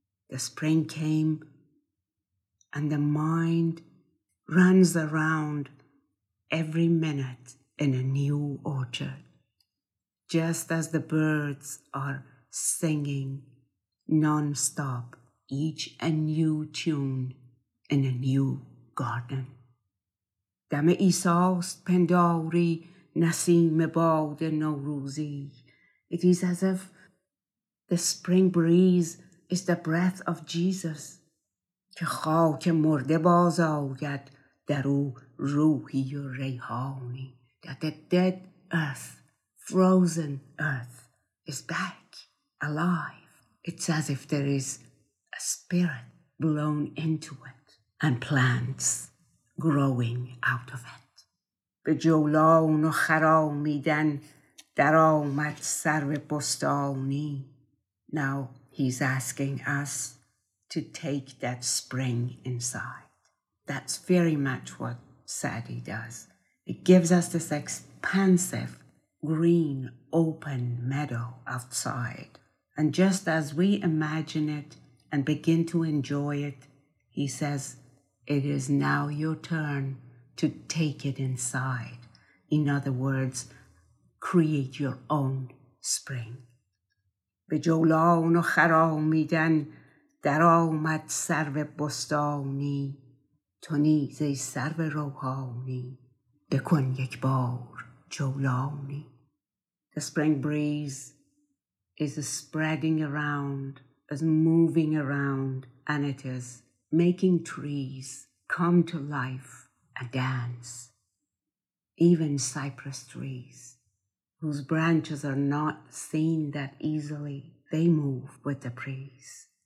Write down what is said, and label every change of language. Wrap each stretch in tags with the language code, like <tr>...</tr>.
<en>The spring came, and the mind runs around every minute in a new orchard, just as the birds are singing nonstop, each a new tune in a new garden.</en> <fa>دم عیساست پنداری نسیم باد نوروزی.</fa> <en>It is as if the spring breeze is the breath of Jesus,</en> <fa>که خاک مرده باز آید در او روحی و ریحانی.</fa> <en>That the dead earth, frozen earth, is back, alive. It's as if there is a spirit blown into it and plants growing out of it.</en> <fa>به جولان و خرامیدن در آمد سرو بستانی.</fa> <en>Now he's asking us to take that spring inside. That's very much what Saadi does. It gives us this expansive, green, open meadow outside. And just as we imagine it and begin to enjoy it, he says, it is now your turn to take it inside. In other words, create your own spring.</en> <fa>به جولان و خرامیدن در آمد سرو بستانی، تو نیز ای سرو روحانی بکن یک بار جولانی.</fa> <en>The spring breeze is spreading around, is moving around, and it is making trees come to life and dance. Even cypress trees, whose branches are not seen that easily, they move with the breeze.</en>